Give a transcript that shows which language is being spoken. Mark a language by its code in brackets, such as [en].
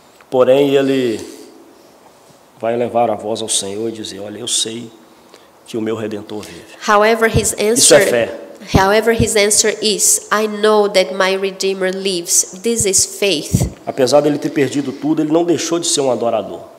[pt] Porém, ele vai levar a voz ao Senhor e dizer, olha, eu sei que o meu Redentor vive. [en] However, his answer, [pt] isso é fé. [en] However, his answer is, I know that my Redeemer lives. This is faith. [pt] Apesar dele ter perdido tudo, ele não deixou de ser um adorador.